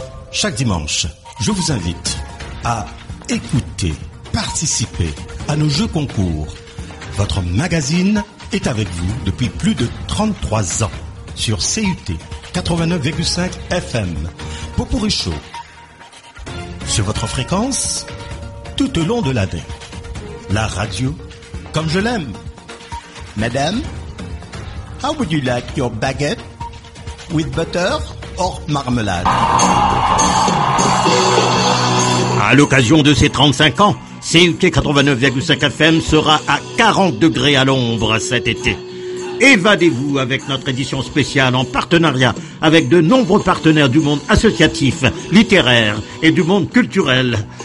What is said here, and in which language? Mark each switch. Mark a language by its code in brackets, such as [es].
[fr] Chaque dimanche, je vous invite à écouter, participer à nos jeux concours. Votre magazine est avec vous depuis plus de 33 ans sur CUT 89,5 FM. Popourri Show. Sur votre fréquence, tout au long de l'année. La radio, comme je l'aime. [en] Madame, how would you like your baguette with butter or marmalade? [fr] À l'occasion de ses 35 ans, CUT 89,5 FM sera à 40 degrés à l'ombre cet été. Évadez-vous avec notre édition spéciale en partenariat avec de nombreux partenaires du monde associatif, littéraire et du monde culturel.